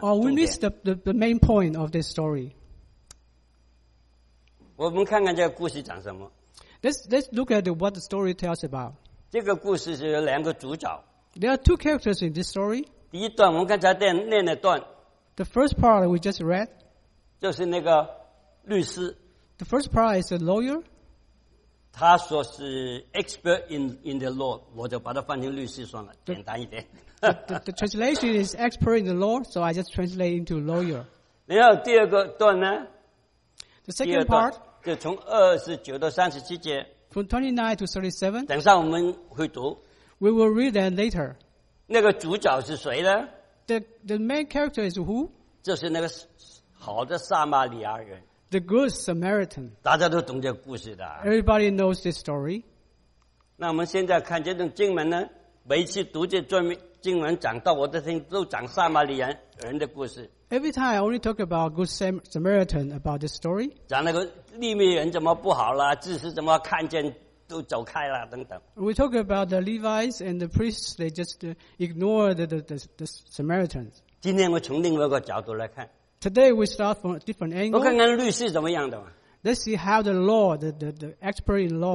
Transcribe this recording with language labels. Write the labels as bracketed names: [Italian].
[English] We miss the main point of this story. [Chinese] 我们看看这个故事讲什么。 [English] Let's look at what the story tells about. [Chinese] 这个故事是有两个主角。 [English] There are two characters in this story. [Chinese] 第一段我们刚才念了段。 [English] The first part we just read. [Chinese] 就是那个律师。 [English] The first part is a lawyer. [Chinese] 他说是 [English] expert in the law, [Chinese] 我就把它翻成律师算了，简单一点。 [English] The translation is expert in the law, so I just translate into lawyer. [Chinese] 然后第二个段呢， [English] The second part, [Chinese] 就从29到37节。 [English] From 29 to 37. [Chinese] 等下我们会读。 [English] We will read that later. [Chinese] 那个主角是谁呢？ [English] The main character is who? [Chinese] 就是那个好的撒玛利亚人。 [English] The good Samaritan. [Chinese] 大家都懂这个故事的。 [English] Everybody knows this story. [Chinese] 那我们现在看这段经文呢，每次读这段经文讲到我的听都讲撒玛利亚人的故事。 [English] Every time I only talk about good Samaritan about this story. [Chinese] 讲那个利未人怎么不好了，祭司怎么看见都走开了等等。 [English] We talk about the Levites and the priests, they just ignore the Samaritans. [Chinese] 今天我从另外一个角度来看。 [English] Today we start from a different angle. [Chinese] 我看看律师怎么样的嘛。 [English] Let's see how the law, the expert in law.